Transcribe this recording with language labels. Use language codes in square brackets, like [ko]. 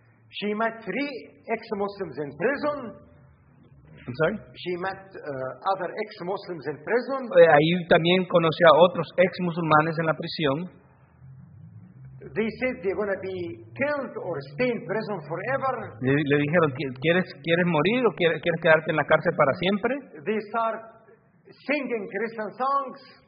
[en] She met three ex-Muslims in prison. I'm sorry. She met other ex-Muslims in prison. [es] Ahí también conoció a otros ex-musulmanes en la prisión. [en] They said they're going to be killed or stay in prison forever. [es] Le dijeron, ¿quieres morir o quieres quedarte en la cárcel para siempre? [en] They start singing Christian songs.